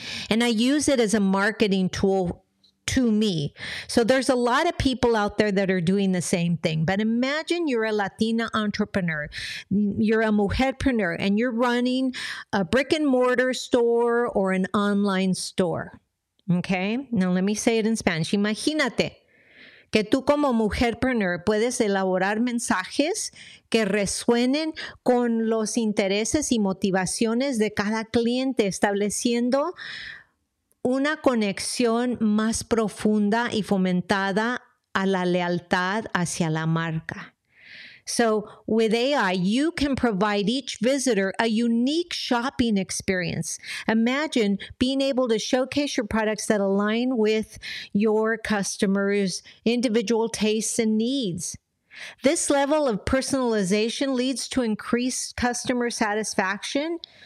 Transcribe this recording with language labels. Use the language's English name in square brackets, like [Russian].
[English] And I use it as a marketing tool to me. So there's a lot of people out there that are doing the same thing. But imagine you're a Latina entrepreneur, you're a mujerpreneur, and you're running a brick and mortar store or an online store. Okay, now let me say it in Spanish. [Spanish] Imagínate que tú como mujerpreneur puedes elaborar mensajes que resuenen con los intereses y motivaciones de cada cliente, estableciendo una conexión más profunda y fomentada a la lealtad hacia la marca. [English] So with AI, you can provide each visitor a unique shopping experience. Imagine being able to showcase your products that align with your customers' individual tastes and needs. This level of personalization leads to increased customer satisfaction.